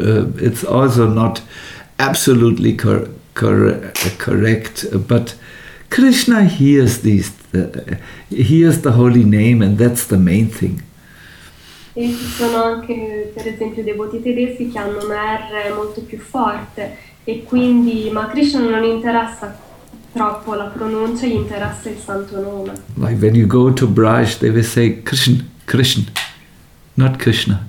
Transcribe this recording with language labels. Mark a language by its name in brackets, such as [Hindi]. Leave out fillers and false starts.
[English] It's also not absolutely correct, but Krishna hears the holy name, and that's the main thing. [Italian] E ci sono anche, per esempio, devoti tedeschi che hanno un R molto più forte, e quindi, ma Krishna non interessa troppo la pronuncia, gli interessa il santo nome. [English] Like when you go to Braj, they will say Krishna, Krishna, not Krishna.